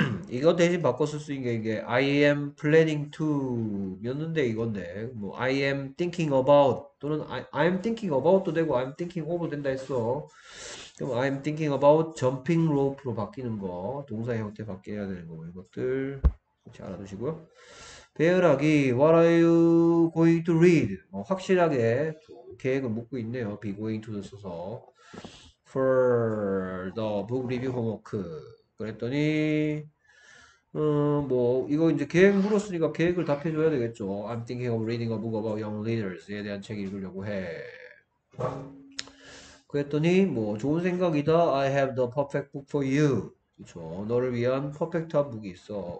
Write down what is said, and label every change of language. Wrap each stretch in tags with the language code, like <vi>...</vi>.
<ko>이거 대신 바꿔 쓸수 있는 게 이게</ko> <en>I am planning to였는데</en> <ko>이건데 뭐</ko> <en>I am thinking about 또는 I am thinking about도 되고 I am thinking of도 된다 했어.</en> <ko>그럼</ko> <en>I am thinking about jumping rope</en> <ko>로 바뀌는 거 동사 형태 바뀌어야 되는 거 이것들 같이 알아두시고요. 배열하기</ko> <en>What are you going to read?</en> <ko>확실하게 계획을 묻고 있네요.</ko> <en>Be going to</en> <ko>써서</ko> <en>for the book review homework.</en> <ko>그랬더니 뭐 이거 이제 계획 물었으니까 계획을 답해 줘야 되겠죠.</ko> <en>I'm thinking of reading a book about young leaders에</en> <ko>대한 책 읽으려고 해. 그랬더니 뭐 좋은 생각이다.</ko> <en>I have the perfect book for you. 그렇죠.</en> <ko>너를 위한 퍼펙트한 북이 있어.</ko>